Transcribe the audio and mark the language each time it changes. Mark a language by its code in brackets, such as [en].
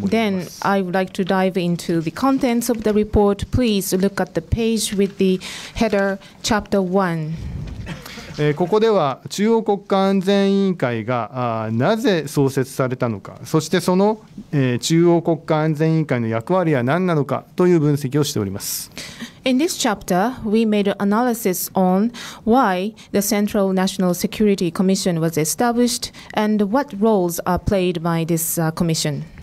[en] Now, then, I would like to dive into the contents of the report. Please look at the page with the header, chapter 1. [ja] ここでは中央国家安全委員会がなぜ創設されたのか、そしてその中央国家安全委員会の役割は何なのかという分析をしております。 [en] In this chapter, we made an analysis on why the Central National Security Commission was established and what roles are played by this commission.